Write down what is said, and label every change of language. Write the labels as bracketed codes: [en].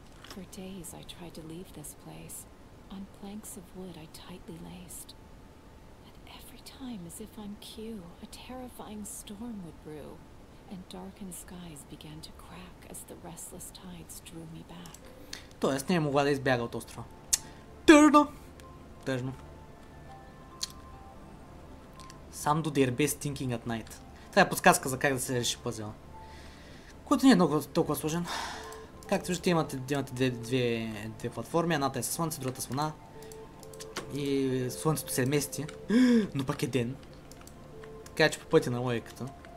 [en] For days I tried to leave this place. On planks of wood I tightly laced. But every time, as if on cue, a terrifying storm would brew. And darkened skies began to crack as the restless tides drew me back. [bg] Тоест не е могла да избяга от острова. Тъжно! Тъжно. [en] Сам до Дербе стинкинг от найт. [bg] Това е подсказка за как да се реши пъзела. Което не е много толкова сложен. Както виждате, имате две платформи. Едната е със слънце, другата с луна. И слънцето се мести. Но пък е ден. Така че по пътя на логиката.